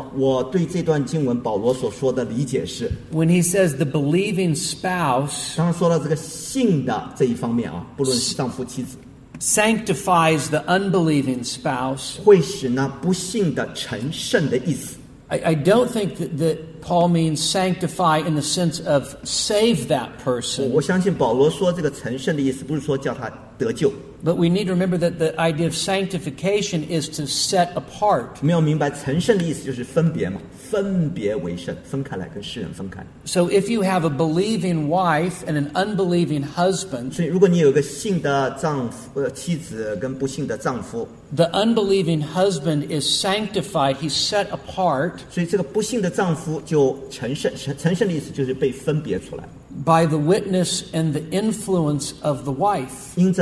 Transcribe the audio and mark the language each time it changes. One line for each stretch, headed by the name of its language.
Chinese: 我对这段经文保罗所说的理解是,
English: when he says the believing spouse,
Chinese: 当然说到这个信的这一方面啊, 不论是丈夫妻子,
English: sanctifies the unbelieving spouse,
Chinese: 会使那不信的成圣的意思。
English: I don't think that Paul means sanctify in the sense of save that person.
Chinese: 我相信保罗说这个成圣的意思不是说叫他得救。
English: But we need to remember that the idea of sanctification is to set apart.
Chinese: 没有明白成圣的意思就是分别嘛，分别为圣，分开来跟世人分开。
English: So if you have a believing wife and an unbelieving husband,
Chinese: 所以如果你有一个信的丈夫，妻子跟不信的丈夫。
English: The unbelieving husband is sanctified, he's set apart.
Chinese: 所以这个不信的丈夫就成圣，成圣的意思就是被分别出来。
English: By the witness and the influence of the wife.